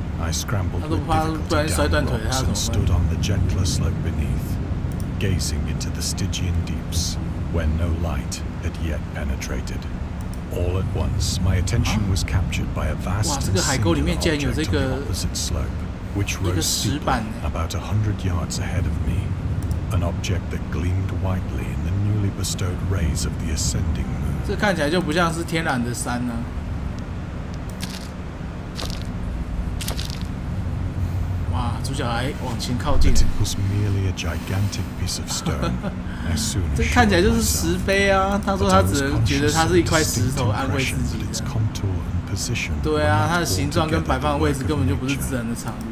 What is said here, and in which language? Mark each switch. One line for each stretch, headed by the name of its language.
English: I scrambled with difficulty down the rocks and stood on the gentler slope beneath, gazing into the Stygian deeps, where no light had yet penetrated. All at once, my attention was captured by a vast and singular object on the opposite slope, which rose steeply about 100 yards ahead of me, an object that gleamed whitely in the newly bestowed rays of the ascending moon.
Chinese: 这看起来就不像是天然的山呢。
English: But it was merely a gigantic piece of stone. I soon assured